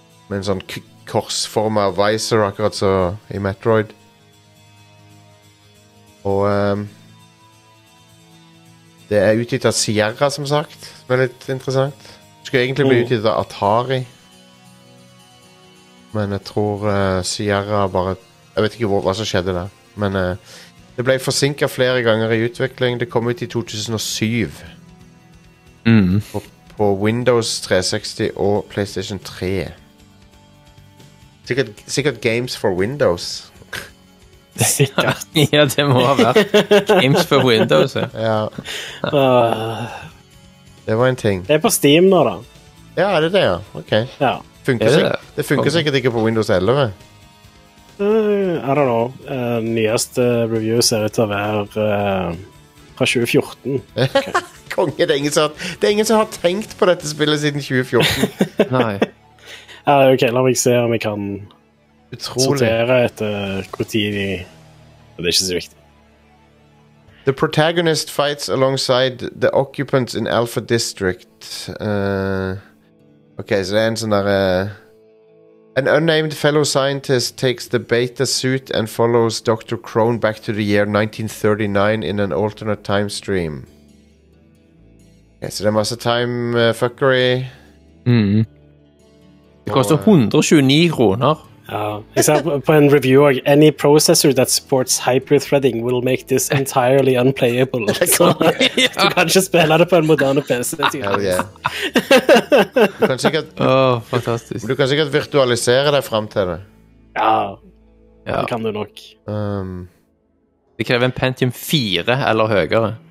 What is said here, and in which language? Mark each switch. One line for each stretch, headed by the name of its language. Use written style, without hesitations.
Norwegian: Med en sånn korsformet visor akkurat så i Metroid. Og... det er utgitt av Sierra, som sagt. Veldig interessant. Det skulle egentlig bli utgitt av Atari. Men jeg tror Sierra bare... jeg vet ikke hva som skjedde der. Men det ble forsinket flere ganger i utvikling. Det kom ut i 2007. Mm. På Windows 360 og PlayStation 3. Sikkert games for Windows. Sikkert. Ja, det må ha vært Games for Windows. Ja. Det var en ting. Det er på Steam nå da. Ja, er det det? Ja? Ok. Ja. Funker det? Det funker sikkert ikke på Windows 11.
English: I don't know.
Norwegian: Nyeste review ser ut til å være fra 2014. Okay. Konge, det er ingen som har tenkt på dette spillet siden 2014. Nei. Ja, ok, la meg se om jeg kan sortere etter hvor tid vi... Det er ikke så viktig.
English: The protagonist fights alongside the occupants in Alpha District.
Norwegian: Ok, så det er en sånn der...
English: An unnamed fellow scientist takes the beta suit and follows Dr. Crone back to the year 1939 in an alternate time stream.
Norwegian: Okay, så det er masse
English: time fuckery.
Norwegian: Mm. Det koster 129 kroner. På en review,
English: any processor that supports hyper-threading will make this entirely unplayable.
Norwegian: Så du kan ikke spille det på en moderne PC.
English: Hell yeah.
Norwegian: Fantastisk. Du kan sikkert virtualisere deg frem til det. Ja, ja. Det kan du nok. Det krever en Pentium 4 eller høyere.